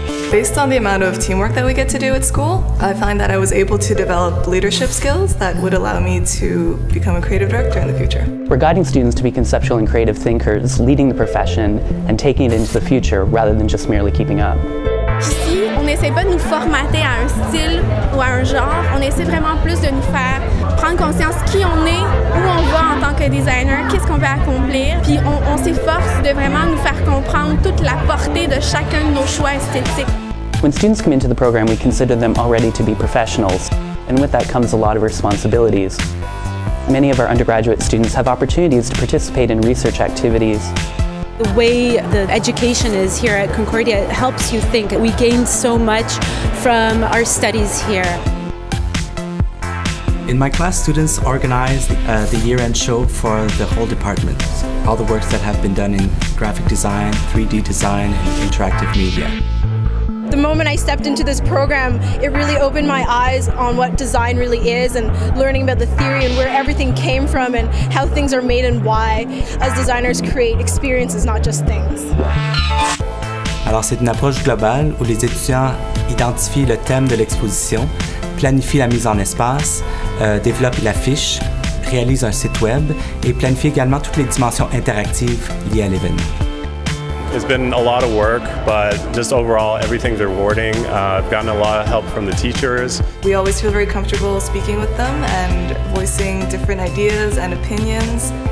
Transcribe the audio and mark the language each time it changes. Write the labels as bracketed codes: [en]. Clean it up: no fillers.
[en] Based on the amount of teamwork that we get to do at school, I find that I was able to develop leadership skills that would allow me to become a creative director in the future. We're guiding students to be conceptual and creative thinkers, leading the profession and taking it into the future rather than just merely keeping up. [fr] Ici, on n'essaie pas de nous formater à un style ou à un genre, on essaie vraiment plus de nous faire prendre conscience qui on est, où on va en tant que designer, qu'est-ce qu'on veut accomplir, puis on s'efforce de vraiment nous faire comprendre toute la portée de chacun de nos choix esthétiques. [en] When students come into the program, we consider them already to be professionals, and with that comes a lot of responsibilities. Many of our undergraduate students have opportunities to participate in research activities. The way the education is here at Concordia helps you think. We gain so much from our studies here. In my class, students organize the year-end show for the whole department. All the works that have been done in graphic design, 3D design, and interactive media. The moment I stepped into this program, it really opened my eyes on what design really is and learning about the theory and where everything came from and how things are made and why us designers create experiences, not just things. [fr] Alors c'est une approche globale où les étudiants identifient le thème de l'exposition, planifient la mise en espace, développent l'affiche, réalisent un site web et planifient également toutes les dimensions interactives liées à l'événement. [en] It's been a lot of work, but just overall, everything's rewarding. I've gotten a lot of help from the teachers. We always feel very comfortable speaking with them and voicing different ideas and opinions.